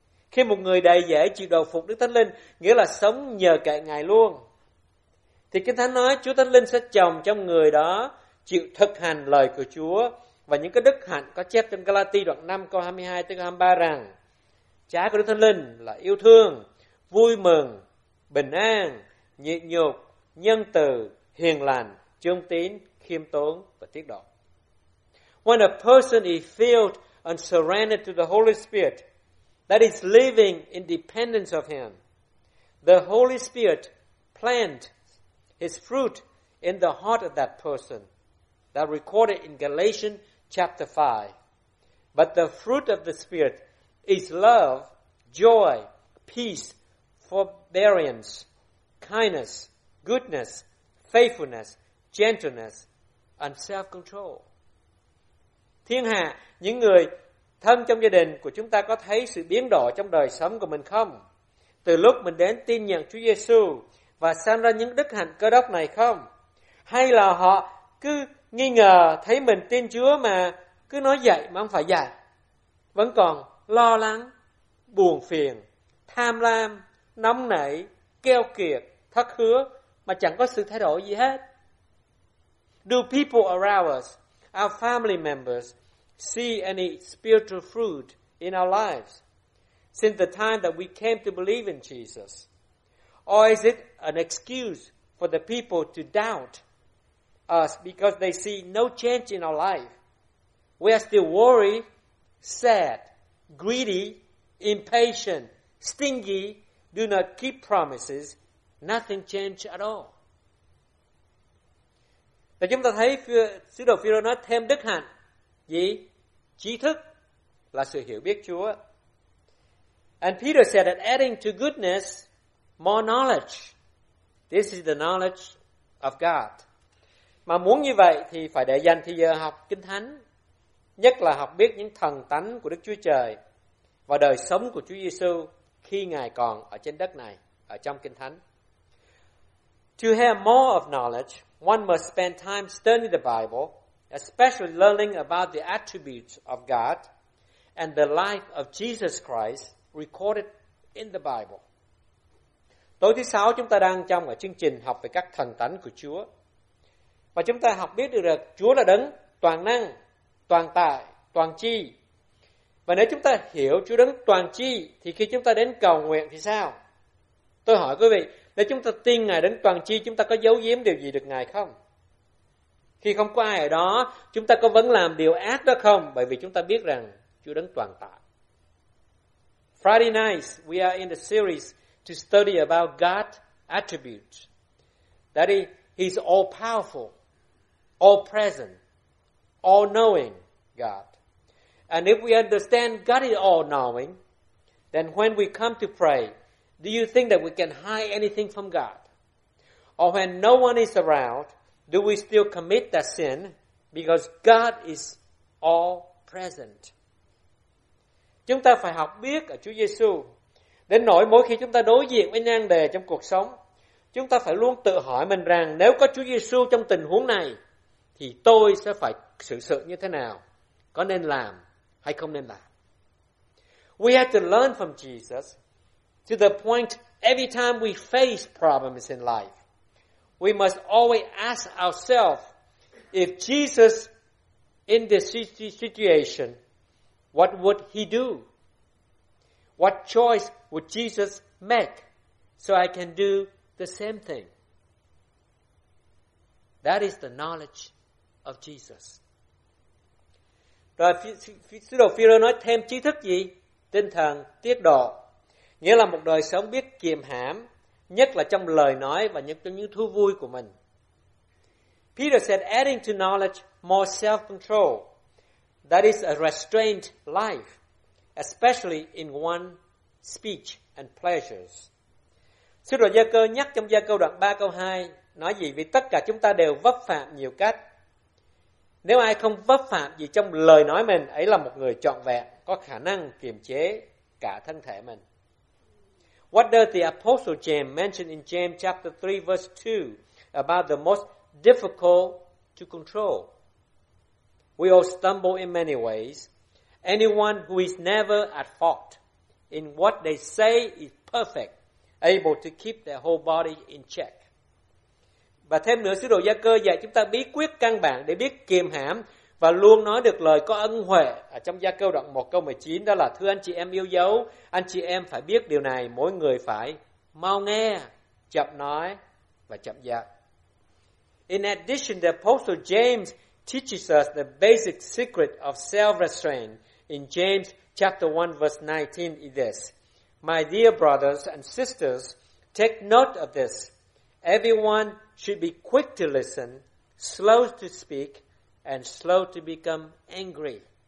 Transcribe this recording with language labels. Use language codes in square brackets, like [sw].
[vi] Khi một người đầy dễ chịu đầu phục Đức Thánh Linh, nghĩa là sống nhờ cậy Ngài luôn, thì Kinh Thánh nói Chúa Thánh Linh sẽ trồng trong người đó chịu thực hành lời của Chúa và những cái đức hạnh có chép trong Galati đoạn 5 câu 22 tới 23 rằng trái của Đức Thánh Linh là yêu thương, vui mừng, bình an, nhịn nhục, nhân từ, hiền lành, trung tín, khiêm tốn và tiết độ. [en] When a person is filled and surrendered to the Holy Spirit, that is living in dependence of Him, the Holy Spirit plants His fruit in the heart of that person. That recorded in Galatians chapter 5. But the fruit of the Spirit is love, joy, peace, forbearance, kindness, goodness, faithfulness, gentleness, and self-control. [vi] Thiên hạ, những người thân trong gia đình của chúng ta có thấy sự biến đổi trong đời sống của mình không? Từ lúc mình đến tin nhận Chúa Giêsu và sanh ra những đức hạnh cơ đốc này không? Hay là họ cứ nghi ngờ thấy mình tin Chúa mà cứ nói vậy mà không phải vậy? Vẫn còn lo lắng, buồn phiền, tham lam, nóng nảy, keo kiệt, thất hứa mà chẳng có sự thay đổi gì hết. [en] Do people around us, our family members, see any spiritual fruit in our lives since the time that we came to believe in Jesus? Or is it an excuse for the people to doubt us because they see no change in our life? We are still worried, sad, greedy, impatient, stingy, do not keep promises, nothing changed at all. [vi] Và chúng ta thấy sứ đồ Phi-rơ nói thêm đức hạnh gì? Trí thức là sự hiểu biết Chúa. [en] And Peter said that adding to goodness more knowledge. This is the knowledge of God. [vi] Mà muốn như vậy thì phải để dành thì giờ học Kinh Thánh, nhất là học biết những thần tánh của Đức Chúa Trời và đời sống của Chúa Giêsu khi Ngài còn ở trên đất này, ở trong Kinh Thánh. [en] To have more of knowledge, one must spend time studying the Bible, especially learning about the attributes of God and the life of Jesus Christ recorded in the Bible. [vi] Tối thứ sáu chúng ta đang trong ở chương trình học về các thần tánh của Chúa. Và chúng ta học biết được rằng Chúa là đấng toàn năng, toàn tài, toàn chi. Và nếu chúng ta hiểu Chúa đấng toàn chi, thì khi chúng ta đến cầu nguyện thì sao? Tôi hỏi quý vị, nếu chúng ta tin Ngài đấng toàn chi, chúng ta có giấu giếm điều gì được Ngài không? Khi không có ai ở đó, chúng ta có vẫn làm điều ác đó không? Bởi vì chúng ta biết rằng Chúa đấng toàn tài. [en] Friday nights, we are in the series to study about God's attributes. That is, He's all-powerful, all-present, all-knowing God. And if we understand God is all-knowing, then when we come to pray, do you think that we can hide anything from God? Or when no one is around, do we still commit that sin? Because God is all present. [vi] Chúng ta phải học biết ở Chúa Giê-xu. Đến nỗi mỗi khi chúng ta đối diện với nan đề trong cuộc sống, chúng ta phải luôn tự hỏi mình rằng nếu có Chúa Giê-xu trong tình huống này, thì tôi sẽ phải xử sự như thế nào? Có nên làm hay không nên làm? [en] We have to learn from Jesus to the point every time we face problems in life, we must always ask ourselves, if Jesus in this situation, what would He do? What choice would Jesus make so I can do the same thing? That is the knowledge of Jesus. [vi] Rồi, sứ đồ Phi-rơ nói thêm tri thức gì? Tinh thần tiết độ. Nghĩa là một đời sống biết kiềm hãm, nhất là trong lời nói và nhất trong những thú vui của mình. [en] Peter said, adding to knowledge more self-control. That is a restrained life, especially in one speech and pleasures. [vi] Sứ đồ Gia-cơ nhắc trong Gia-cơ đoạn 3 câu 2, nói gì? Vì tất cả chúng ta đều vấp phạm nhiều cách. Nếu ai không vấp phạm gì trong lời nói mình, ấy là một người trọn vẹn, có khả năng kiềm chế cả thân thể mình. [en] What does the Apostle James mention in James chapter 3 verse 2 about the most difficult to control? We all stumble in many ways. Anyone who is never at fault in what they say is perfect, able to keep their whole body in check. [vi] Và thêm nữa, sứ đồ Gia-cơ dạy chúng ta bí quyết căn bản để biết kiềm hãm và luôn nói được lời có ân huệ ở trong Gia-cơ đoạn 1 câu 19, đó là: thưa anh chị em yêu dấu, anh chị em phải biết điều này, mỗi người phải mau nghe, chậm nói và chậm giận. [en] In addition, the Apostle James teaches us the basic secret of self-restraint in James chapter 1 verse 19 is this: my dear brothers and sisters, take note of this. Everyone should be quick to listen, slow to speak, and slow to become angry.